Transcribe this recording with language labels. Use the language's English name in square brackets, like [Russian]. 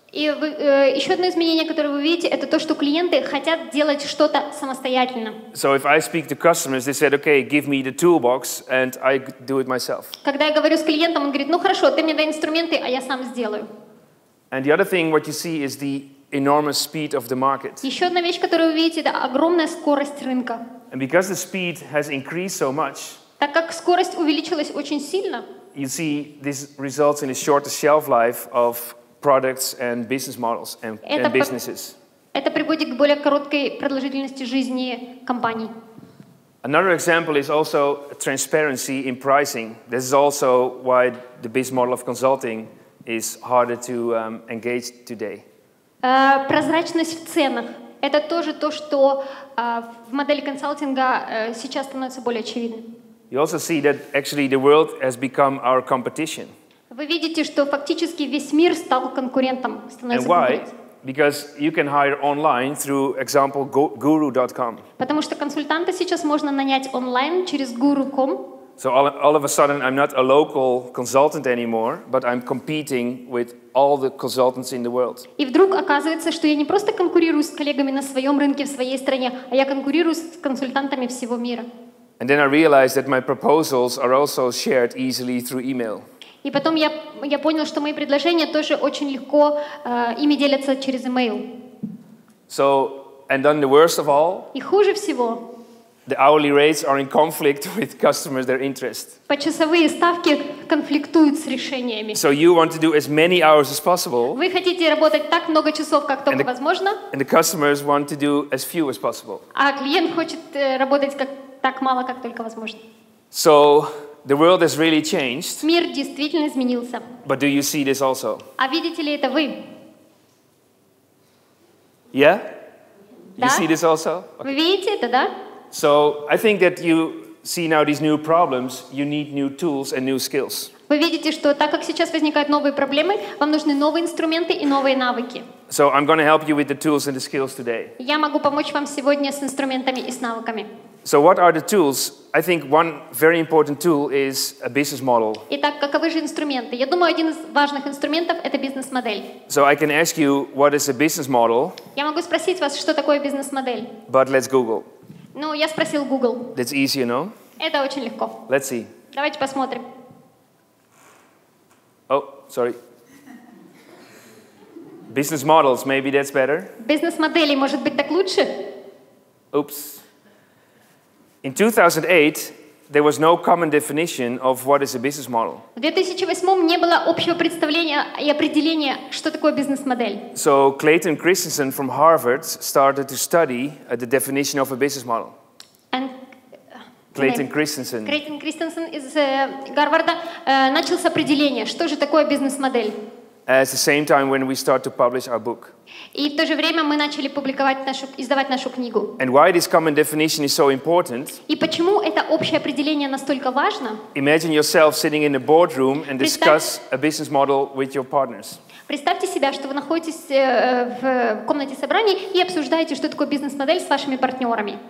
[Russian] И еще одно изменение, которое вы видите, это то, что клиенты хотят делать что-то самостоятельно. [English] So if I speak to customers, they said, okay, give me the toolbox, and I do it myself. [Russian] Когда я говорю с клиентом, он говорит, ну хорошо, ты мне дай инструменты, а я сам сделаю. [English] And the other thing, what you see, is the enormous speed of the market. [Russian] Еще одна вещь, которую вы видите, это огромная скорость рынка. [English] And because the speed has increased so much, [Russian] так как скорость увеличилась очень сильно, [English] you see this results in a shorter shelf life of products and business models and businesses. [Russian] Это приводит к более короткой продолжительности жизни компаний. [English] Another example is also transparency in pricing. This is also why the business model of consulting is harder to engage today. [Russian] Прозрачность в ценах. Это тоже то, что в модели консалтинга сейчас становится более очевидным. [English] You also see that actually the world has become our competition. [Russian] Вы видите, что фактически весь мир стал конкурентом, становится. [English] And why? Because you can hire online through example guru.com. [Russian] Потому что консультанта сейчас можно нанять онлайн через guru.com. [English] So all of a sudden I'm not a local consultant anymore, but I'm competing with all the consultants in the world. [Russian] И вдруг оказывается, что я не просто конкурирую с коллегами на своем рынке в своей стране, а я конкурирую с консультантами всего мира. [English] And then I realized that my proposals are also shared easily through email. [Russian] И потом я понял, что мои предложения тоже очень легко ими делятся через email. [English] So, and then the worst of all, [Russian] и хуже всего, [English] the hourly rates are in conflict with customers, their interest. [Russian] Почасовые ставки конфликтуют с решениями. [English] So you want to do as many hours as possible. [Russian] Вы хотите работать так много часов, как только возможно. [English] And the customers want to do as few as possible. [Russian] А клиент хочет работать так мало, как только возможно. [English] So, the world has really changed. [Russian] Мир действительно изменился. [English] But do you see this also? [Russian] А видите ли это вы? [English] Yeah? [Russian] Да? [English] You see this also? [Russian] Okay. Вы видите это, да? [English] So I think that you see now these new problems, you need new tools and new skills. [Russian] Вы видите, что так как сейчас возникают новые проблемы, вам нужны новые инструменты и новые навыки. [English] So I'm going to help you with the tools and the skills today. [Russian] Я могу помочь вам сегодня с инструментами и с навыками. [English] So what are the tools? I think one very important tool is a business model. [Russian] Итак, каковы же инструменты? Я думаю, один из важных инструментов – это бизнес-модель. [English] So I can ask you, what is a business model? [Russian] Я могу спросить вас, что такое бизнес-модель. [English] But let's Google. [Russian] Ну, я спросил Google. [English] That's easy, no? [Russian] Это очень легко. [English] Let's see. [Russian] Давайте посмотрим. [English] Oh, sorry. Business models, maybe that's better. [Russian] Бизнес-модели, может быть, так лучше? [English] Oops. In 2008, there was no common definition of what is a business model. [Russian] В 2008 не было общего представления и определения, что такое бизнес-модель. [English] So Clayton Christensen from Harvard started to study the definition of a business model. And Clayton Christensen. [Russian] Clayton Christensen из Гарварда начал с определения, что же такое бизнес-модель. [English] At the same time when we start to publish our book. [Russian] И в то же время мы начали публиковать издавать нашу книгу. [English] And why this common definition is so important? [Russian] И почему это общее определение настолько важно? [English] Imagine yourself sitting in a boardroom and discuss a business model with your partners. [Russian] Представьте себя, что вы находитесь в комнате собраний и обсуждаете, что такое бизнес-модель с вашими партнерами.